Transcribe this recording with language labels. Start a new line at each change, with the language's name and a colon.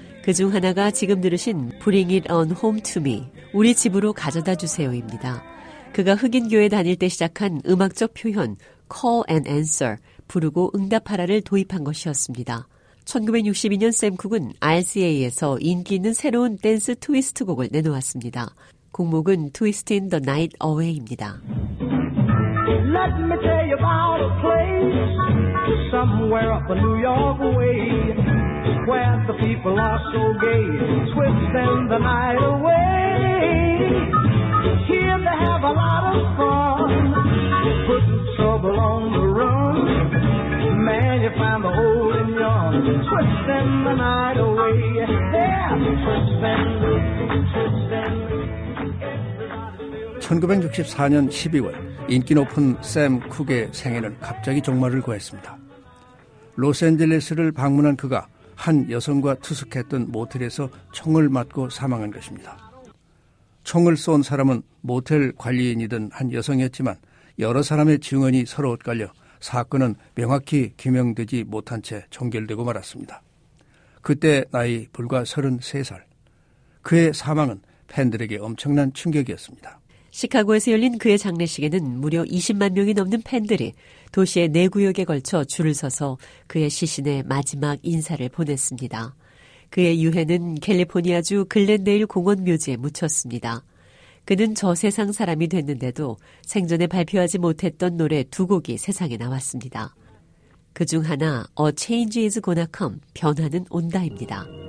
Korean: 그중 하나가 지금 들으신 Bring It On Home To Me, 우리 집으로 가져다 주세요입니다. 그가 흑인교회 다닐 때 시작한 음악적 표현 Call and Answer, 부르고 응답하라를 도입한 것이었습니다. 1962년 샘 쿡은 RCA에서 인기 있는 새로운 댄스 트위스트 곡을 내놓았습니다. 곡목은 Twist in the Night Away입니다.
English: Let me tell you about a place somewhere up in New York way where the people are so gay, twisting the night away. Here they have a lot of fun, putting trouble on the run. Man, you find the old and young, twisting the night away. Yeah, twisting the night away.
Korean: 1964년 12월, 인기 높은 샘 쿡의 생애는 갑자기 종말을 구했습니다. 로스앤젤레스를 방문한 그가 한 여성과 투숙했던 모텔에서 총을 맞고 사망한 것입니다. 총을 쏜 사람은 모텔 관리인이던 한 여성이었지만 여러 사람의 증언이 서로 엇갈려 사건은 명확히 규명되지 못한 채 종결되고 말았습니다. 그때 나이 불과 33살, 그의 사망은 팬들에게 엄청난 충격이었습니다. 시카고에서 열린 그의 장례식에는 무려 20만 명이 넘는 팬들이 도시의 네 구역에 걸쳐 줄을 서서 그의 시신의 마지막 인사를 보냈습니다. 그의 유해는 캘리포니아주 글렌데일 공원 묘지에 묻혔습니다. 그는 저세상 사람이 됐는데도 생전에 발표하지 못했던 노래 두 곡이 세상에 나왔습니다. 그중 하나 A Change Is Gonna Come, 변화는 온다입니다.